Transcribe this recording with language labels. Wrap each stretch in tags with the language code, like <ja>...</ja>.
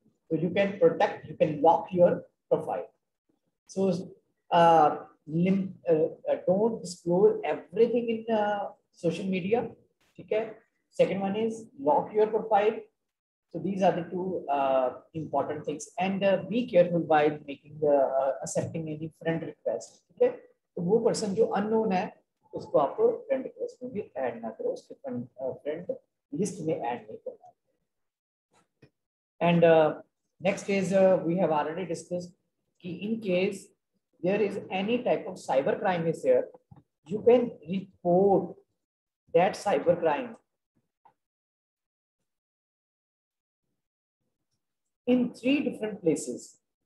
<en>So you can protect, you can lock your profile. So don't disclose everything in social media. Okay. Second one is lock your profile. So these are the two important things. And be careful by making the accepting any friend request. Okay.</en> <hi>So वो person जो unknown है, उसको आप friend request में भी add ना करो, उसके friend list में add नहीं करना.</hi> <en>And next is we have already discussed ki in case there is any type of cyber crime is here, you can report that cyber crime in three different places.</en>